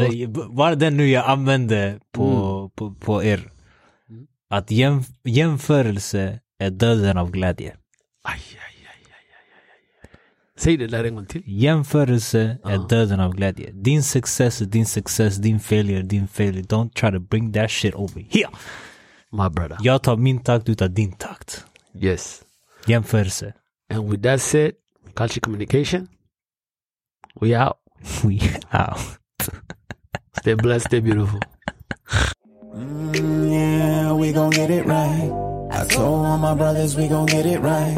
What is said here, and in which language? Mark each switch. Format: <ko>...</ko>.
<sv>Var den nu jag använde på er? Att jämförelse är döden av glädje. Aj, aj. Säg det där en gång till. Jämförelse är döden av glädje. Din success är din success. Din failure är din failure.</sv> <en>Don't try to bring that shit over here. My brother.</en> <sv>Jag tar min takt ut av din takt.</sv> <en>Yes.</en> <sv>Jämförelse.</sv> <en>And with that said, culture communication, we out. We out. Stay blessed, stay beautiful. Yeah, we gon' get it right. I told all my brothers we gon' get it right.</en>